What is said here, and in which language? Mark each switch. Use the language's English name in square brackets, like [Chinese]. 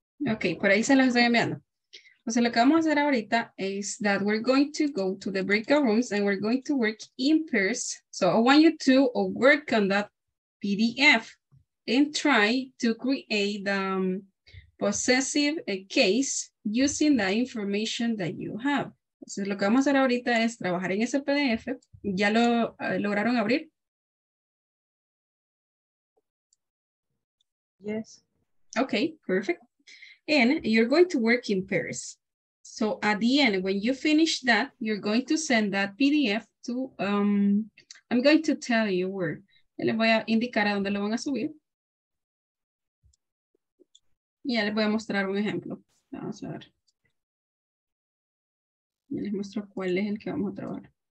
[Spanish] Ok, por ahí se los estoy enviando. O sea, lo que vamos a hacer ahorita [English] is that we're going to go to the breakout rooms and we're going to work in pairs. So I want you to work on that PDF and try to create the possessive case using the information that you have. [Spanish] Entonces, lo que vamos a hacer ahorita es trabajar en ese PDF. ¿Ya lo lograron abrir? [English] Yes. Ok, perfect. And you're going to work in pairs. So at the end, when you finish that, you're going to send that PDF to, I'm going to tell you where. [Spanish] Le voy a indicar a dónde lo van a subir. Y ya les voy a mostrar un ejemplo. Vamos a ver. Ya les muestro cuál es el que vamos a trabajar.